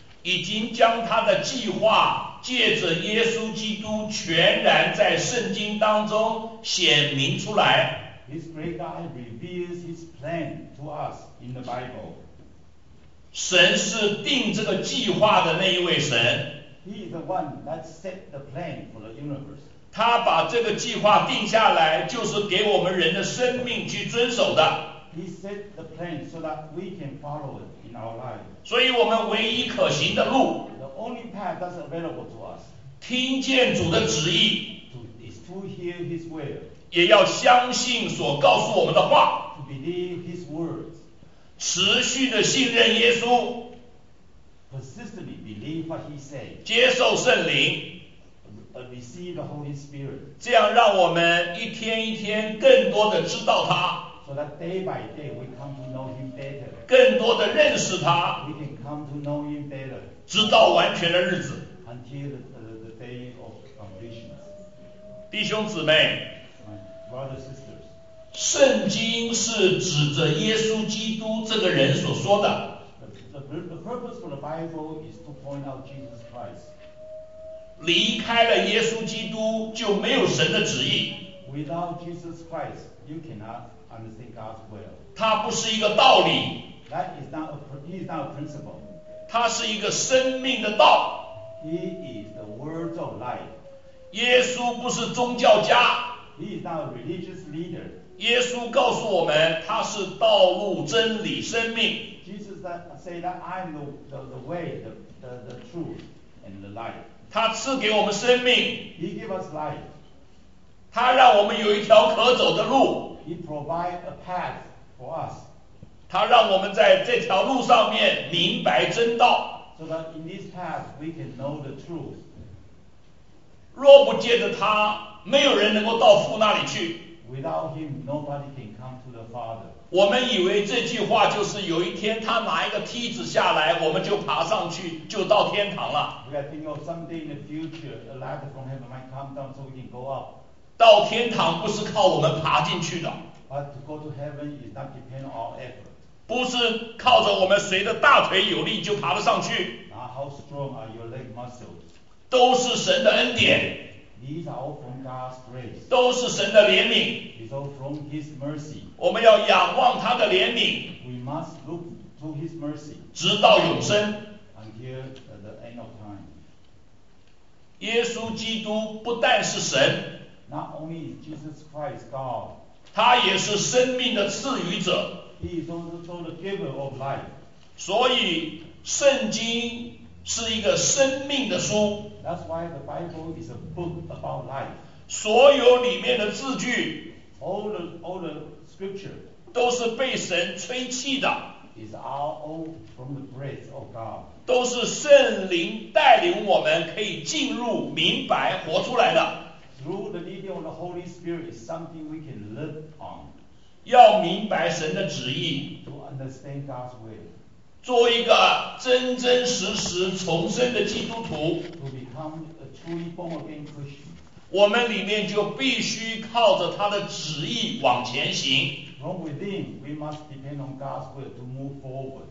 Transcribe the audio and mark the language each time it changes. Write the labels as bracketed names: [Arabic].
[Chinese] 已经将他的计划借着耶稣基督全然在圣经当中显明出来 [English] His great God reveals his plan to us in the Bible. [Chinese] 神是定这个计划的那一位神 [English] He is the one that set the plan for the universe. [Chinese] 他把这个计划定下来，就是给我们人的生命去遵守的。 [English] He set the plan so that we can follow it in our lives. [Chinese] 所以我们唯一可行的路 [English] ，The only path that's available to us. [Chinese] 听见主的旨意 [English] is to hear His will. [Chinese] 也要相信所告诉我们的话 [English] ，To believe His words. [Chinese] 持续的信任耶稣 [English] ，Persistently believe what He said. [Chinese] 接受圣灵。 [English] Receive the Holy Spirit, [Chinese] 这样让我们一天一天更多的知道他 [English] so that day by day we come to know him better, [Chinese] 更多的认识他 [English] we can come to know him better, [Chinese] 直到完全的日子 [English] until the day of completion. [Chinese] 弟兄姊妹 [English] My brothers, sisters, [Chinese] 圣经是指着耶稣基督这个人所说的 [English] the purpose for the Bible is to point out Jesus Christ. [Chinese] 离开了耶稣基督就没有神的旨意 [English] Without Jesus Christ, you cannot understand God's will. [Chinese] 他不是一个道理 [English] That is not a principle. [Chinese] 他是一个生命的道 [English] He is the word of life. [Chinese] 耶稣不是宗教家 [English] He is not a religious leader. [Chinese] 耶稣告诉我们他是道路真理生命 [English] Jesus said that I am the way, the truth, and the life. [Chinese] 他赐给我们生命 [English] He gave us life. [Chinese] 他让我们有一条可走的路 [English] He provide a path for us. [Chinese] 他让我们在这条路上面明白真道 [English] So that in this path we can know the truth. [Chinese] 若不借着他没有人能够到父那里去 [English] Without him nobody can come to the father. [Chinese] 我们以为这句话就是有一天他拿一个梯子下来我们就爬上去就到天堂了 [English] We are thinking of someday in the future a ladder from heaven might come down so we can go up [Chinese] 到天堂不是靠我们爬进去的 [English] But to go to heaven is not depend on our effort [Chinese] 不是靠着我们谁的大腿有力就爬得上去 [English] Now how strong are your leg muscles [Chinese] 都是神的恩典 [English] These are all from God's grace [Chinese] 都是神的怜悯 [English] So from his mercy, [Chinese] 我们要仰望他的怜悯 [English] we must look to his mercy, [Chinese] 直到永生 [English] until the end of time. [Chinese] 耶稣基督不但是神 [English] Not only is Jesus Christ God, [Chinese] 他也是生命的赐予者 [English] He is also the giver of life. [Chinese] 所以圣经是一个生命的书 [English] That's why the Bible is a book about life. [Chinese] 所有里面的字句 [English] All the scripture [Chinese] 都是被神吹气的 [English] is all from the breath of God [Chinese] 都是圣灵带领我们可以进入明白活出来的 [English] through the leading of the Holy Spirit is something we can live on [Chinese] 要明白神的旨意 [English] to understand God's will [Chinese] 做一个真真实实重生的基督徒 [English] to become a truly born again Christian [Chinese] 我们里面就必须靠着他的旨意往前行 [English] From within, we must depend on God's will to move forward.